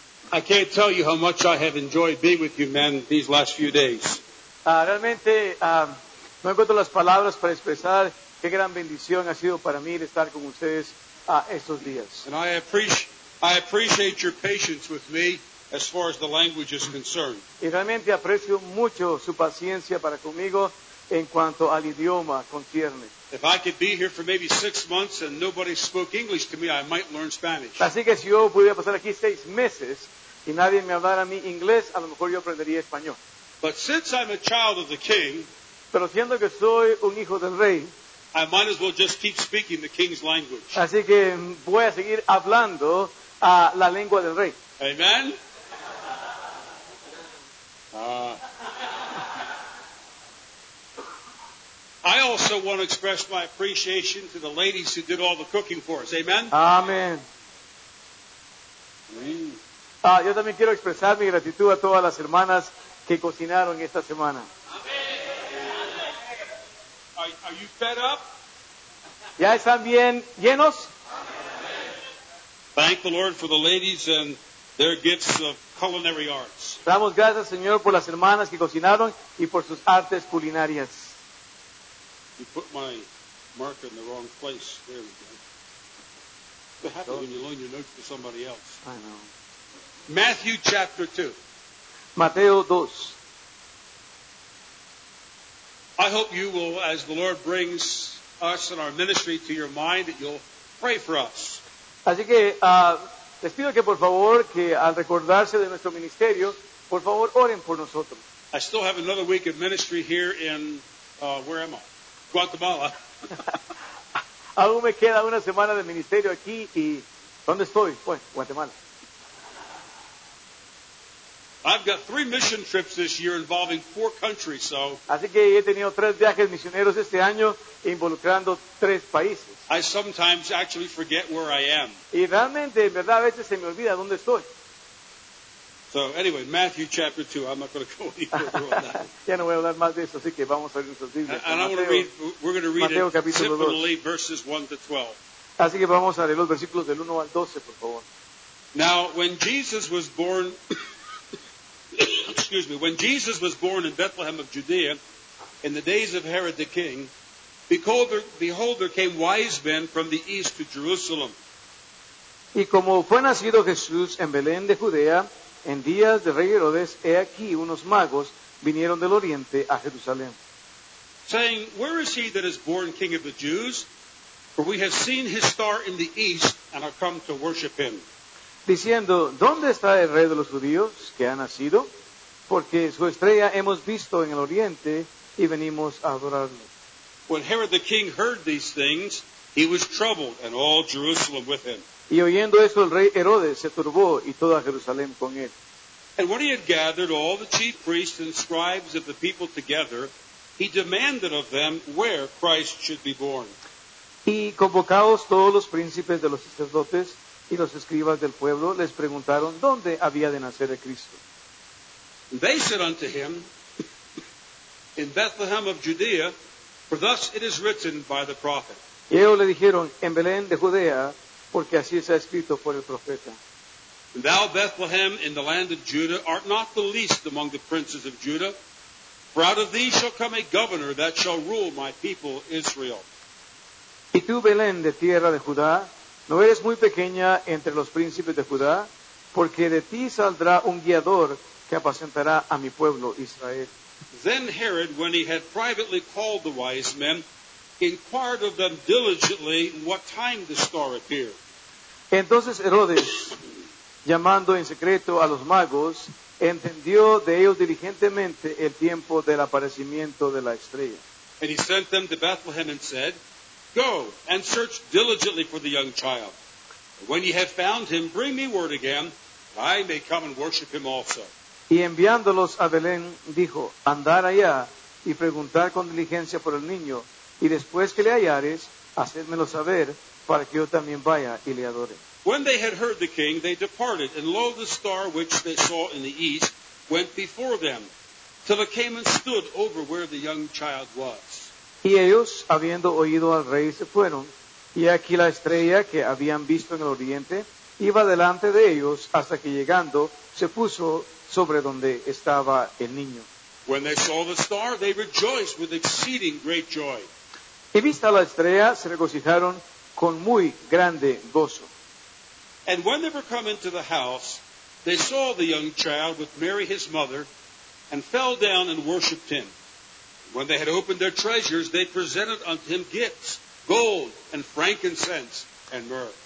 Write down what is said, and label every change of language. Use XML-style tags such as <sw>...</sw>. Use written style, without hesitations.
<en>I can't tell you how much I have enjoyed being with you men these last few days.</en> <es>Realmente no encuentro las palabras para expresar qué gran bendición ha sido para mí estar con ustedes estos días.</es> <en>And I appreciate your patience with me as far as the language is concerned.</en> <es>Y realmente aprecio mucho su paciencia para conmigo en cuanto al idioma concierne.</es> <en>If I could be here for maybe 6 months and nobody spoke English to me, I might learn Spanish.</en> <es>Así que si yo pudiera pasar aquí 6 meses y nadie me hablara mi inglés, a lo mejor yo aprendería español.</es> <en>But since I'm a child of the king,</en> <es>pero siendo que soy un hijo del rey,</es> <en>I might as well just keep speaking the king's language.</en> <es>Así que voy a seguir hablando a la lengua del rey.</es> <en>Amen? I also want to express my appreciation to the ladies who did all the cooking for us. Amen? Amen.</en> <es>Yo también quiero expresar mi gratitud a todas las hermanas que cocinaron esta semana. Amen.</es> <en>Are you fed up?</en> <es>¿Ya están bien llenos? Amen.</es> <en>Thank the Lord for the ladies and their gifts of culinary arts.</en> <es>Damos gracias, Señor, por las hermanas que cocinaron y por sus artes culinarias.</es> <en>You put my marker in the wrong place. There we go. What happens when you loan your notes to somebody else? I know. Matthew chapter 2.</en> <es>Mateo 2.</es> <en>I hope you will, as the Lord brings us and our ministry to your mind, that you'll pray for us.</en> <es>Así que, les pido que por favor, que al recordarse de nuestro ministerio, por favor, oren por nosotros.</es> <en>I still have another week of ministry here in, where am I? Guatemala.</en> <es>Aún me queda una semana de ministerio aquí y ¿dónde estoy? Pues, Guatemala.</es> <en>I've got 3 mission trips this year involving 4 countries, so.</en> <es>Así que he tenido 3 viajes misioneros este año involucrando 3 países.</es> <en>I sometimes actually forget where I am.</en> <es>Y realmente, en verdad, a veces se me olvida dónde estoy.</es> <en>So, anyway, Matthew chapter 2. I'm not going to go any further on that.</en> <es>Ya no voy a hablar más de eso, así que vamos a abrir nuestros libros.</es> <en>And I'm going to read, we're going to read Mateo, it simply, verses 1 to 12.</en> <es>Así que vamos a leer los versículos del 1 al 12, por favor.</es> <en>Now, when Jesus was born, excuse me, when Jesus was born in Bethlehem of Judea, in the days of Herod the king, behold, there came wise men from the east to Jerusalem.</en> <es>Y como fue nacido Jesús en Belén de Judea, en días de rey Herodes, he aquí unos magos vinieron del oriente a Jerusalén.</es> <en>Saying, where is he that is born king of the Jews? For we have seen his star in the east and are come to worship him.</en> <es>Diciendo, ¿dónde está el rey de los judíos que ha nacido? Porque su estrella hemos visto en el oriente y venimos a adorarlo.</es> <en>When Herod the king heard these things, he was troubled and all Jerusalem with him.</en> <es>Y oyendo eso, el rey Herodes se turbó y toda Jerusalén con él.</es> <en>And when he had gathered all the chief priests and scribes of the people together, he demanded of them where Christ should be born.</en> <es>Y convocados todos los príncipes de los sacerdotes y los escribas del pueblo, les preguntaron dónde había de nacer el Cristo.</es> <en>They said unto him, in Bethlehem of Judea, for thus it is written by the prophet.</en> <es>Y ellos le dijeron, en Belén de Judea, porque así está escrito por el profeta.</es> <en>Thou, Bethlehem, in the land of Judah, art not the least among the princes of Judah. For out of thee shall come a governor that shall rule my people Israel.</en> <es>Y tú, Belén, de tierra de Judá, no eres muy pequeña entre los príncipes de Judá, porque de ti saldrá un guiador que apacentará a mi pueblo Israel.</es> <en>Then Herod, when he had privately called the wise men, inquired of them diligently what time the star appeared.</en> <es>Entonces Herodes, llamando en secreto a los magos, entendió de ellos diligentemente el tiempo del aparecimiento de la estrella.</es> <en>And he sent them to Bethlehem and said, go and search diligently for the young child. When ye have found him, bring me word again, that I may come and worship him also.</en> <es>Y enviándolos a Belén, dijo, andar allá y preguntar con diligencia por el niño, y después que le hallares, hacédmelo saber, para que yo también vaya y le adore.</es> <en>When they had heard the king, they departed, and lo, the star which they saw in the east went before them, till it came and stood over where the young child was.</en> <es>Y ellos, habiendo oído al rey, se fueron, y aquí la estrella que habían visto en el oriente iba delante de ellos hasta que llegando se puso sobre donde estaba el niño.</es> <en>When they saw the star, they rejoiced with exceeding great joy.</en> <es>Y vista la estrella, se regocijaron con muy grande gozo.</es> <en>And when they were come into the house, they saw the young child with Mary his mother, and fell down and worshipped him. When they had opened their treasures, they presented unto him gifts, gold and frankincense and myrrh.</en>